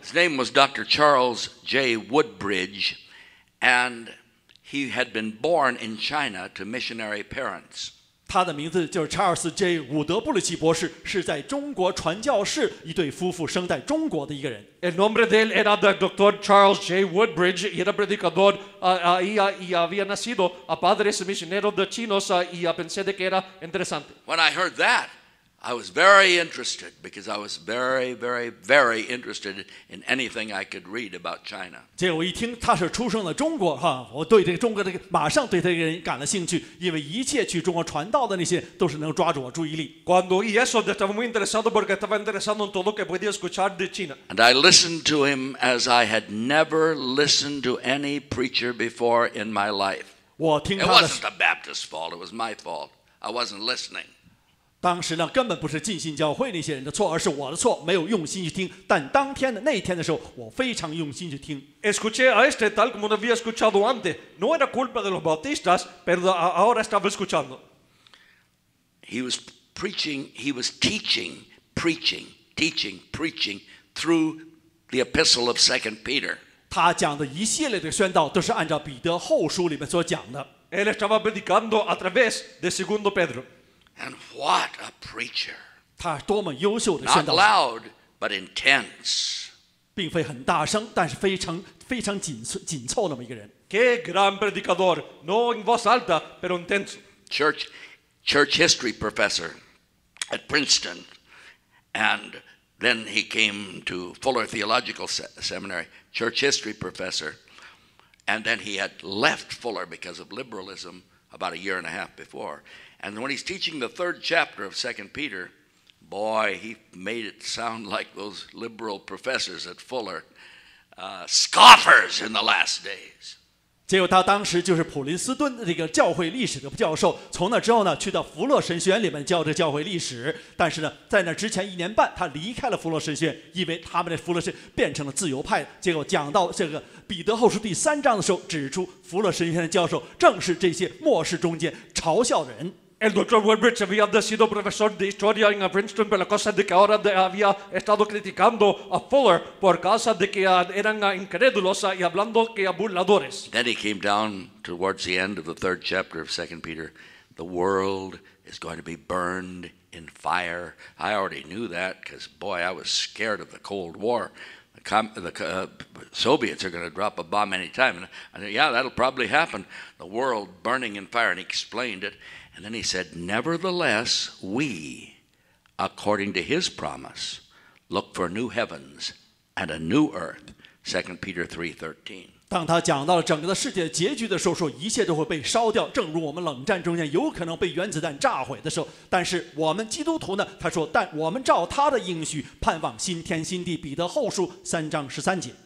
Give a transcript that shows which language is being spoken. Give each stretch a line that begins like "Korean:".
English: His name was Dr. Charles J. Woodbridge. And he had been born in China to missionary parents.
Chinese: 他的名字就是查尔斯 J 伍德布鲁奇博士，是在中国传教士一对夫妇生在中国的一个人。
Spanish: El nombre de él era de Dr. Charles J. Woodbridge y era predicador y había nacido a padres misioneros de chinos y pensé de que era interesante.
English: When I heard that, I was very interested because I was very, very, very interested in anything I could read about China.
Chinese: 结果一听他是出生在中国，哈，我对这个中国这个马上对这个人感了兴趣，因为一切去中国传道的那些都是能抓住我注意力。
Spanish: Cuando y eso estaba muy interesado porque estaba interesado en todo lo que podía escuchar de China.
English: And I listened to him as I had never listened to any preacher before in my life.
Chinese: 我听他的。
English: It wasn't the Baptist's fault. It was my fault. I wasn't listening.
Chinese: 当时呢，根本不是浸信教会那些人的错，而是我的错，没有用心去听。但当天的那一天的时候，我非常用心去听。
Spanish: Escuché a este tal como no había escuchado antes. No era culpa de los bautistas, pero ahora estaba escuchando.
English: He was preaching. He was teaching, preaching, teaching, preaching through the epistle of Second Peter.
Chinese: 他讲的一系列的宣道都是按照彼得后书里面所讲的。
Spanish: Él estaba predicando a través de Segundo Pedro.
English: And what a preacher!
Chinese: 他多么优秀的宣道。
English: Not loud, but intense.
Chinese: 并非很大声，但是非常非常紧凑那么一个人。
Spanish: Qué gran predicador, no en voz alta, pero intenso.
English: Church history professor at Princeton, and then he came to Fuller Theological Seminary. Church history professor, and then he had left Fuller because of liberalism about a year and a half before. And when he's teaching the third chapter of 2 Peter, boy, he made it sound like those liberal professors at Fuller, scoffers in the last days.
Chinese: 结果他当时就是普林斯顿这个教会历史的教授，从那之后呢，去到福乐神学院里面教这教会历史。但是呢，在那之前一年半，他离开了福乐神学院，因为他们的福乐神变成了自由派。结果讲到这个彼得后书第三章的时候，指出福乐神学院的教授正是这些末世中间嘲笑人。
Spanish: El Dr. Woodbridge había sido profesor de historia en Princeton, pero la cosa es que ahora había estado criticando a Fuller por causa de que eran incrédulos y hablando que burladores.
English: Then he came down towards the end of the third chapter of 2 Peter. The world is going to be burned in fire. I already knew that because, boy, I was scared of the Cold War. The Soviets are going to drop a bomb anytime. And I said, yeah, that'll probably happen. The world burning in fire. And he explained it. And then he said, nevertheless, we, according to his promise, look for new heavens and a new earth. 2 Peter 3:13.
Chinese: 当他讲到了整个的世界结局的时候，说一切都会被烧掉，正如我们冷战中间有可能被原子弹炸毁的时候，但是我们基督徒呢，他说，但我们照他的应许盼望新天新地。彼得后书三章十三节。